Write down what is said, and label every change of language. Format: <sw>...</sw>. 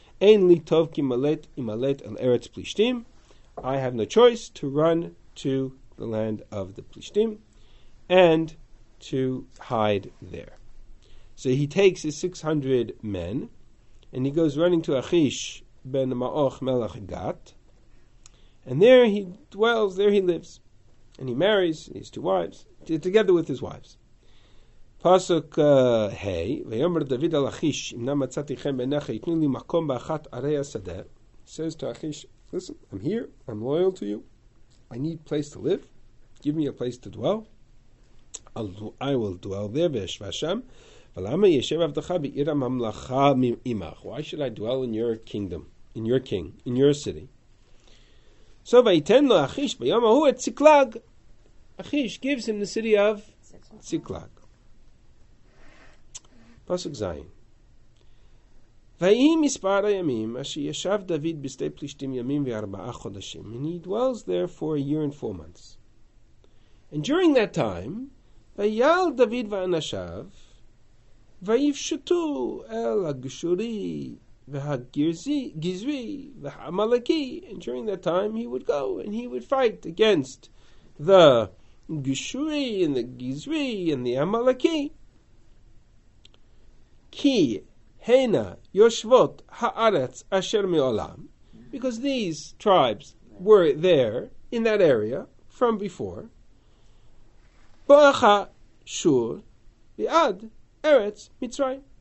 <he>Ein li tov ki malet imalet el eretz plishtim.</he> <en>I have no choice to run to the land of the plishtim and to hide there. So he takes his 600 men, and he goes running to Achish ben Ma'och Melech Gat. And there he dwells, there he lives. And he marries, he has two wives, together with his wives.</en> <he>פסוק ה', ויאמר דוד אל אחיש, אמנם מצאתי חן בעיניך, יתנו לי מקום באחת ערי השדה.</he> <en>Says to Achish, listen, I'm here, I'm loyal to you, I need a place to live, give me a place to dwell, I will dwell there,</en> <he>ויישב שם. ולמה יישב עבדך בעיר הממלכה מעמך?</he> <en>Why should I dwell in your kingdom, in your king, in your city? So,</en> <he>ויתן לו אחיש ביום ההוא את ציקלג.</he> <en>אחיש gives him the city of ציקלג.</en> <he>פסוק זין. ויהי מספר הימים אשר ישב דוד בשדה פלישתים ימים וארבעה חודשים.</he> <en>And he dwells there for a year and 4 months. And during that time,</en> <he>ויעל דוד ואנשיו, ויפשטו אל הגשורי והגזרי והמלאקי.</he> <en>And during that time, he would go and he would fight against the גשורי and the גזרי and the המלאקי.</en> <he>כי הנה יושבות הארץ אשר מעולם.</he> <en>Because these tribes were there in that area from before.</en> <he>בואך שור ועד Eretz Mitzrayim.</he>